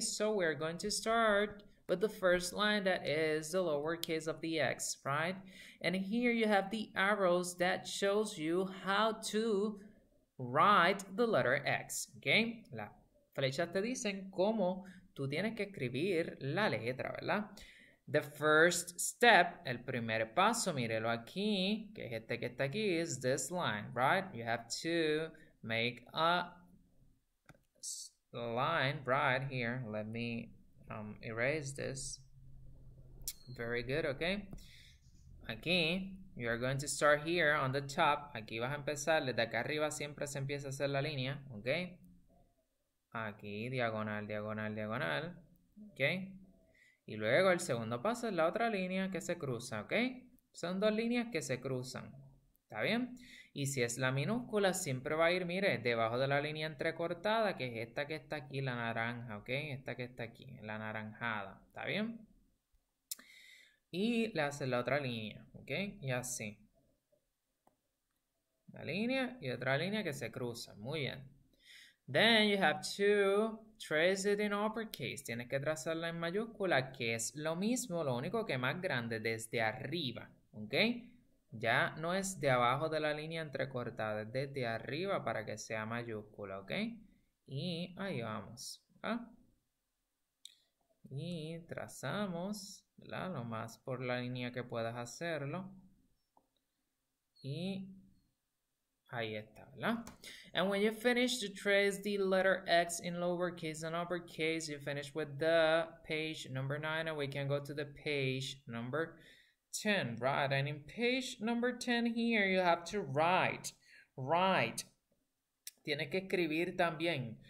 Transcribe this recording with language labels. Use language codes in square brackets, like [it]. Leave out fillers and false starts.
[en] So we're going to start with the first line that is the lowercase of the X, right? And here you have the arrows that shows you how to write the letter X, okay? [es] Las flechas te dicen cómo tú tienes que escribir la letra, ¿verdad? [en] The first step, [es] el primer paso, mírelo aquí, que es este que está aquí, [en] is this line, right? You have to make a line right here. Let me erase this. Very good, okay? Aquí, you are going to start here on the top. [es] Aquí vas a empezar, desde acá arriba siempre se empieza a hacer la línea, okay? Aquí, diagonal, diagonal, diagonal, okay? Y luego el segundo paso es la otra línea que se cruza, ¿ok? Son dos líneas que se cruzan, ¿está bien? Y si es la minúscula, siempre va a ir, mire, debajo de la línea entrecortada, que es esta que está aquí, la naranja, ¿ok? Esta que está aquí, la anaranjada, ¿está bien? Y le haces la otra línea, ¿ok? Y así. Una línea y otra línea que se cruzan, muy bien. [en] Then you have to trace it in uppercase. [es] Tienes que trazarla en mayúscula, que es lo mismo, lo único que más grande, desde arriba, ¿ok? Ya no es de abajo de la línea entrecortada, es desde arriba para que sea mayúscula, ¿ok? Y ahí vamos, ¿verdad? Y trazamos, ¿verdad? Lo más por la línea que puedas hacerlo. Y ahí está, ¿verdad? [en] And when you finish to trace the letter X in lowercase and uppercase, you finish with the page number 9, and we can go to the page number 10, right? And in page number 10 here, you have to write, write. [es] Tienes que escribir también.